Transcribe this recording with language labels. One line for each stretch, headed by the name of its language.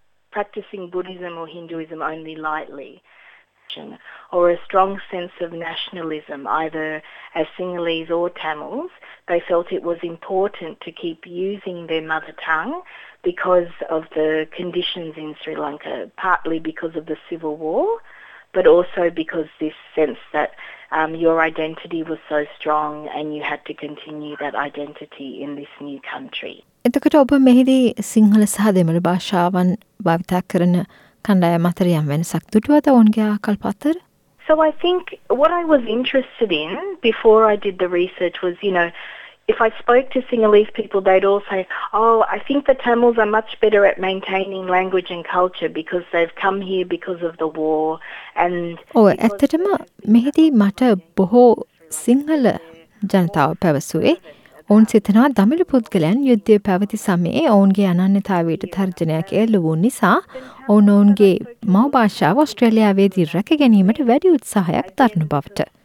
English: practicing Buddhism or Hinduism only lightly, or a strong sense of nationalism, either as Sinhalese or Tamils, they felt it was important to keep using their mother tongue because of the conditions in Sri Lanka, partly because of the civil war, but also because this sense that your identity was so strong and you had to continue that identity in this new country.
Sinhala: එතකොට ඔබ මෙහිදී සිංහල සහ දෙමළ භාෂාවන් භාවිතා කරන කණ්ඩායම් අතර යම් වෙනසක් දුටුවද ඔවුන්ගේ ආකල්ප අතර?
English: So I think what I was interested in before I did the research was, you know, if I spoke to Sinhalese people, they'd all say, oh, I think the Tamils are much better at maintaining language and culture because they've come here because of the war. And
Sinhala: ඔය ඇත්තටම මෙහිදී මට බොහෝ සිංහල ජනතාව පැවසුවේ ඔවුන් සිතනවා දමිළ පුද්ගලයන් යුද්ධය පැවති සමයේ ඔවුන්ගේ අනන්‍යතාවයට තර්ජනයක් එල්ල වූ නිසා ඔවුන් ඔවුන්ගේ මව භාෂාව ඔස්ට්‍රේලියාවේදී රැක ගැනීමට වැඩි උත්සාහයක් දරන බවට.